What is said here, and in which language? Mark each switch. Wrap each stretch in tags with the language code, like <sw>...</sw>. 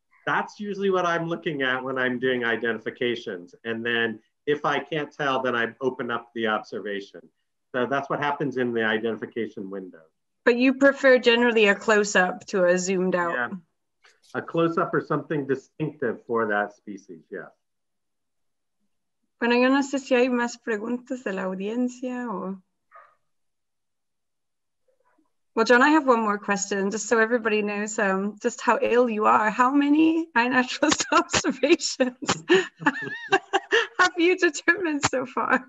<en>That's usually what I'm looking at when I'm doing identifications. And then if I can't tell, then I open up the observation. So that's what happens in the identification window. But you prefer generally a close-up to a zoomed out. Yeah. A close-up or something distinctive for that species, yeah.</en> <es>Bueno, yo no sé si hay más preguntas de la audiencia o...</es> <en>Well, John, I have one more question, just so everybody knows just how ill you are. How many iNaturalist observations have you determined so far?</en>